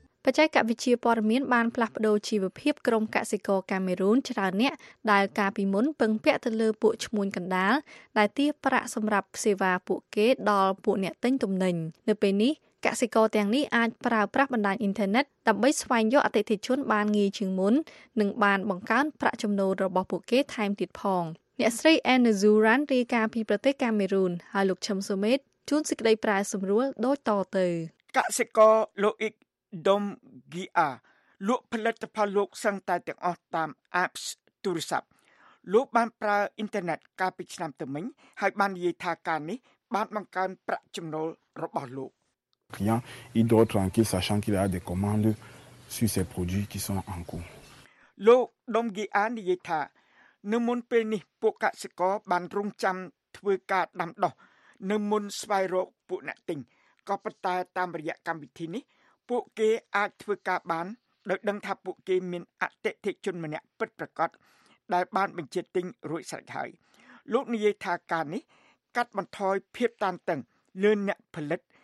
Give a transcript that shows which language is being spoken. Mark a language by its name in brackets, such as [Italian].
[Khmer] បច្ចេកវិទ្យាព័ត៌មានបានផ្លាស់ប្ដូរជីវភាពក្រុមកសិករកាមេរូនច្រើនអ្នកដែលកាលពីមុនពឹងពាក់ទៅលើពួកឈ្មួញកណ្ដាលដែលទារប្រាក់សម្រាប់សេវាពួកគេដល់ពួកអ្នកទិញទំនិញនៅពេលនេះកសិករទាំងនេះអាចប្រើប្រាស់បណ្ដាញអ៊ីនធឺណិតដើម្បីស្វែងយកអតិថិជនបានងាយជាងមុននិងបានបង្កើនប្រាក់ចំណូលរបស់ពួកគេថែមទៀតផងអ្នកស្រី Anne Zuran រាយការណ៍ពីប្រទេសកាមេរូនហើយលោកឈឹមសុមេតជួនសេចក្តីប្រែសម្រួលដូចតទៅ កសិករលោកអ៊ីកដុំហ្គីអាលក់ផលិតផលលោកសឹងតែទាំងអស់តាម Apps ទូរស័ព្ទលោកបានប្រើអ៊ីនធឺណិតកាលពីឆ្នាំទៅមិញហើយបាននិយាយថាការនេះបានបង្កើនប្រាក់ចំណូលរបស់លោក [French] rien il doit tranquille sachant qu'il a des commandes sur ses produits qui sont en cours [Khmer] lo dom gi an និយាយថានៅមុនពេលនេះពួកកសិករបានរងចាំធ្វើការដាំដុះនៅមុនស្វែងរកពួកអ្នកទិញក៏ប៉ុន្តែតាមរយៈកម្មវិធីនេះពួកគេអាចធ្វើការបានដោយដឹងថាពួកគេមានអតិថិជនម្នាក់ពិតប្រាកដដែលបានបញ្ជាទិញរួចស្រេចហើយលោកនិយាយថាការនេះកាត់បន្ថយភាពតានតឹងលើអ្នកផលិត